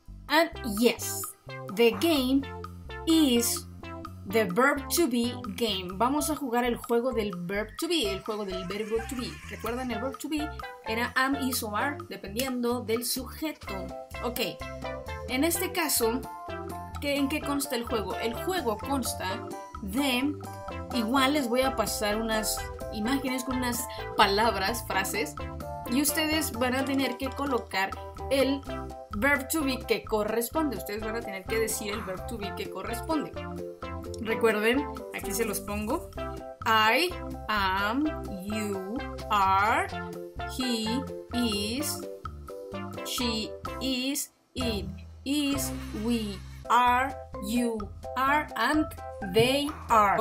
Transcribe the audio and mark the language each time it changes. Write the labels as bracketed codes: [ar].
[en] And yes, the game is the verb to be game. [es] Vamos a jugar el juego del verb to be, el juego del verbo to be. ¿Recuerdan el verb to be? Era am, is o are, dependiendo del sujeto. Ok, en este caso, ¿en qué consta el juego? El juego consta de, igual les voy a pasar unas imágenes con unas palabras, frases, y ustedes van a tener que colocar el verb to be que corresponde. Ustedes van a tener que decir el verb to be que corresponde. Recuerden, aquí se los pongo. [en] I am, you are, he is, she is, it is, we are, you are, and they are.